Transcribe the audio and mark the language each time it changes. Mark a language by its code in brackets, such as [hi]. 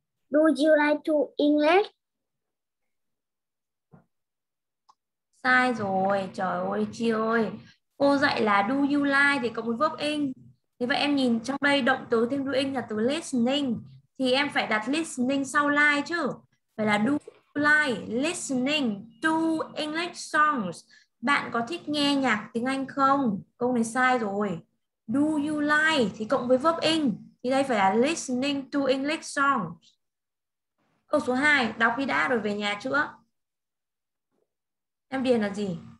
[en] Do you like to English? [vi] Sai rồi, trời ơi chị ơi. Cô dạy là [en] do you like [vi] thì có một verb in. Thế vậy em nhìn trong đây động từ thêm do in là từ listening. Thì em phải đặt listening sau like chứ. Vậy là [en] do you like listening to English songs? [vi] Bạn có thích nghe nhạc tiếng Anh không? Câu này sai rồi. [en] Do you like [vi] thì cộng với [en] verb in. [vi] Thì đây phải là [en] listening to English songs. [vi] Câu số 2, đọc đi đã rồi về nhà chữa. Em điền là gì?